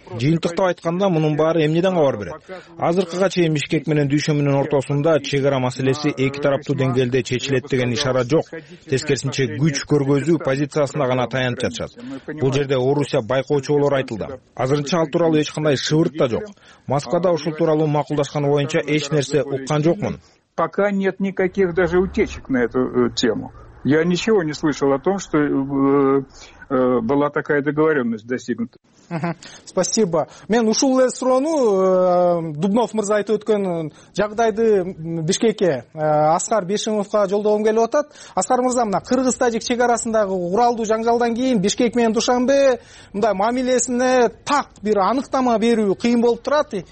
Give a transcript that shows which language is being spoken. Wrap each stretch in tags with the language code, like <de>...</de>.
<ky>Жыйынтыктап айтканда мунун баары эмнеден кабар берет? Азыркыга чейин Бишкек менен дүйшөмбүнүн ортосунда чек ара маселеси эки тараптуу деңгээлде чечилет деген ишара жок. Тескерисинче күч көргөзүү позициясына гана таянып жатышат. Бул жерде Орусия байкоочу болору айтылды. Азырынча ал тууралуу эч кандай шыбырт да жок. Москвада ушул тууралуу макулдашканы боюнча эч нерсе уккан жокмун.</ky> <ru>Пока нет никаких даже утечек на эту тему. Я ничего не слышал о том, что была такая договоренность достигнута. Спасибо.</ru> <ky>Мен ушул эле суроону Дубнов мырза айтып өткөн жагдайды Бишкекке Аскар Бешимовго жолдогом келип атат. Аскар мырза, мына кыргыз тажик чек арасындагы уралдуу жаңжалдан кийин Бишкек менен Душанбе мындай мамилесине так бир аныктама берүү кыйын болуп турат.</ky>